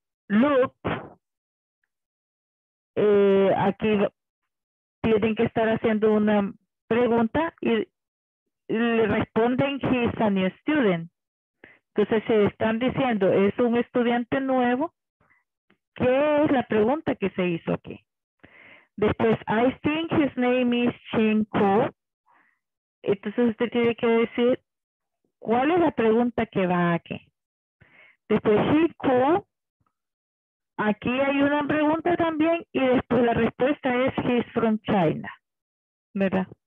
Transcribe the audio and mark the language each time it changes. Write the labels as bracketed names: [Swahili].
[Spanish] Look, aquí tienen que estar haciendo una pregunta y le responden [English] he's a new student. [Spanish] Entonces, se están diciendo, es un estudiante nuevo. ¿Qué es la pregunta que se hizo aquí? [English] Después, I think his name is Chin Ko. [Spanish] Entonces, usted tiene que decir, ¿cuál es la pregunta que va aquí? Después, Chin Ko. Aquí hay una pregunta también y después la respuesta es [English] he's from China, [Spanish] ¿verdad?